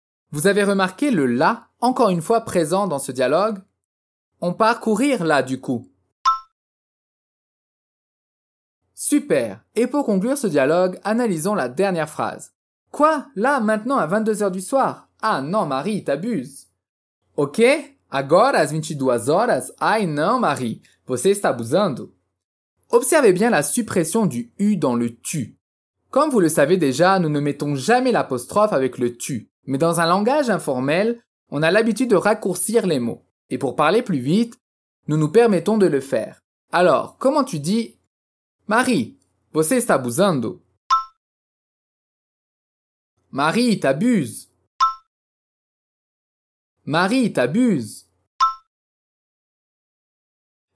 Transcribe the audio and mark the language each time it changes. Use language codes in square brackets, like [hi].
[fr] Vous avez remarqué le « là » encore une fois présent dans ce dialogue ? On part courir là, du coup. Super ! Et pour conclure ce dialogue, analysons la dernière phrase. Quoi ? Là, maintenant, à 22h du soir ? Ah non, Marie, t'abuses. Ok ? [pt] Agora, às 22h ? Ai não, Marie, você está abusando. [fr] Observez bien la suppression du « u » dans le « tu ». Comme vous le savez déjà, nous ne mettons jamais l'apostrophe avec le « tu ». Mais dans un langage informel, on a l'habitude de raccourcir les mots. Et pour parler plus vite, nous nous permettons de le faire. Alors, comment tu dis « Marie, [pt] você está abusando [fr] ?»« Marie, t'abuses ?»« Marie, t'abuses ?»